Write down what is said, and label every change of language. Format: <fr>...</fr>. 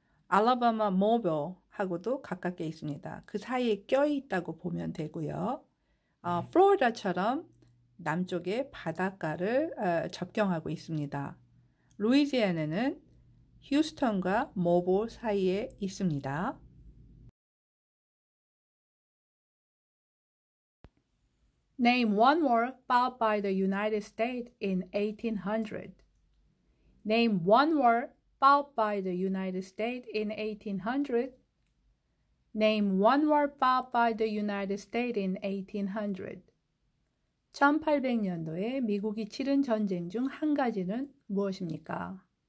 <ko>알라바마 모빌하고도 가깝게 있습니다. 그 사이에 껴있다고 보면 되고요. 플로리다처럼 남쪽의 바닷가를 접경하고 있습니다. 루이지애나는 휴스턴과 모빌 사이에 있습니다.</ko> <en>Name one war fought by the United States in 1800. Name one war fought by the United States in 1800. Name one war fought by the United States in 1800.</en> <ko>1800년도에 미국이 치른 전쟁 중 한 가지는 무엇입니까?</ko>